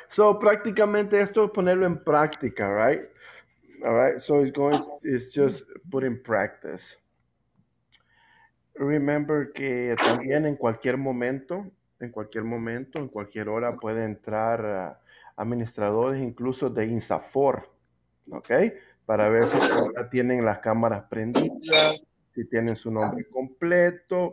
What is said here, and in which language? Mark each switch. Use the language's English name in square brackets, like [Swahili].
[Spanish] So, prácticamente esto es ponerlo en práctica, ¿right? [English] All right? So, it's going, it's just put in practice. Remember [Spanish] que también en cualquier momento, en cualquier hora puede entrar administradores incluso de INSAFOR, ¿ok? Para ver si ahora tienen las cámaras prendidas, si tienen su nombre completo.